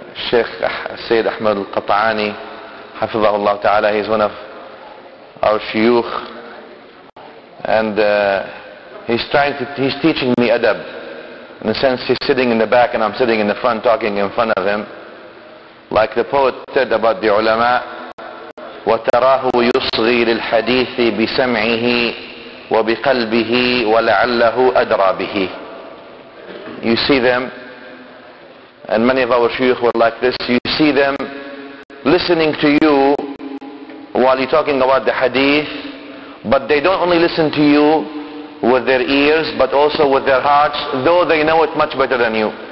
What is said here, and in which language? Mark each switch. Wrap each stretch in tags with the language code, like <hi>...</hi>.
<en>Sheikh Sayyid Ahmed Al-Qata'ani, Hafizahu Allah Ta'ala, he's one of our shuyukh, and he's teaching me adab. In a sense, he's sitting in the back and I'm sitting in the front talking in front of him. Like the poet said about the ulama,</en> <ar>وَتَرَاهُ يُصْغِي لِلْحَدِيثِ بِسَمْعِهِ وَبِقَلْبِهِ وَلَعَلَّهُ أَدْرَى بِهِ.</ar> <en>You see them, and many of our shuyukh were like this. You see them listening to you while you're talking about the hadith, but they don't only listen to you with their ears, but also with their hearts, though they know it much better than you.</en>